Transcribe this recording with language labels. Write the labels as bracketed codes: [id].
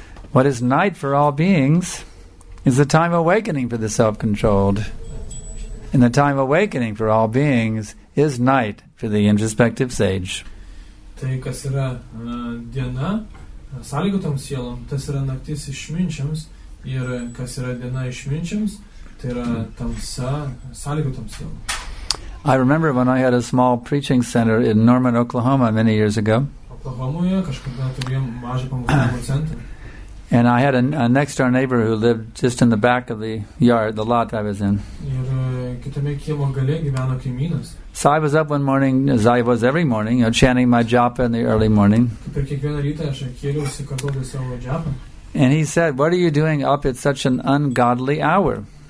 [en] What is night for all beings is the time of awakening for the self-controlled. And the time of awakening for all beings is night for the introspective sage. [lt] Tai, kas yra diena sąlygotam sielom, tas yra naktis išminčiams. Ir kas yra diena išminčiams, tai yra tamsa, sąlygų tamsa. [en] I remember when I had a small preaching center in Norman, Oklahoma many years ago. [lt] Oklahomoje kažkada turėjom mažą pamokų centrą. [en] And I had a next-door neighbor who lived just in the back of the yard, the lot I was in. [lt] Ir kitame kiemo gale gyveno kaimynas. [en] So I was up one morning, as I was every morning, you know, chanting my japa in the early morning. [lt] Per kiekvieną rytą aš kėliausi kartodavau savo japa. [en] And he said, what are you doing up at such an ungodly hour?